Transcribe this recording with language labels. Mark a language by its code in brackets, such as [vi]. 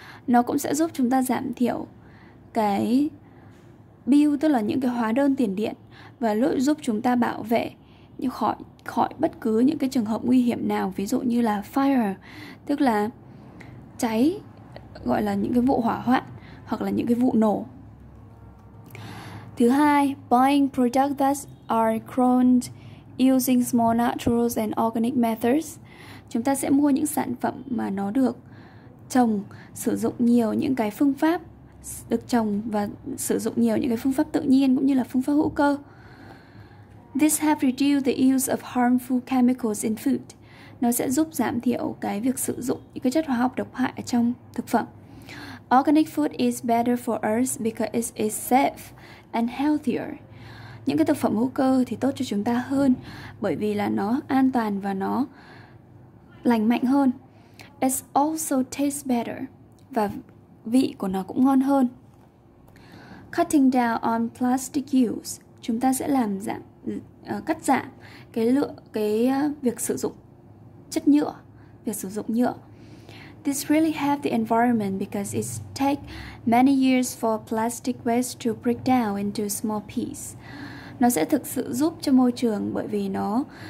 [vi] Nó cũng sẽ giúp chúng ta giảm thiểu cái bill tức là những cái hóa đơn tiền điện và giúp chúng ta bảo vệ như khỏi khỏi bất cứ những cái trường hợp nguy hiểm nào, ví dụ như là fire tức là cháy, gọi là những cái vụ hỏa hoạn hoặc là những cái vụ nổ. Thứ hai, [en] buying products that are grown using small natural and organic methods. [vi] Chúng ta sẽ mua những sản phẩm mà nó được trồng sử dụng nhiều những cái phương pháp được trồng và sử dụng nhiều những cái phương pháp tự nhiên cũng như là phương pháp hữu cơ. [en] This have reduced the use of harmful chemicals in food. [vi] Nó sẽ giúp giảm thiểu cái việc sử dụng những cái chất hóa học độc hại ở trong thực phẩm. [en] Organic food is better for us because it is safe and healthier. [vi] Những cái thực phẩm hữu cơ thì tốt cho chúng ta hơn bởi vì là nó an toàn và nó lành mạnh hơn. [en] It also tastes better [vi] và vị của nó cũng ngon hơn. [en] Cutting down on plastic use. [vi] Chúng ta sẽ làm giảm cắt giảm cái lượng việc sử dụng chất nhựa, việc sử dụng nhựa. [en] This really helps the environment because it takes many years for plastic waste to break down into small pieces. [vi] Nó sẽ thực sự giúp cho môi trường bởi vì nó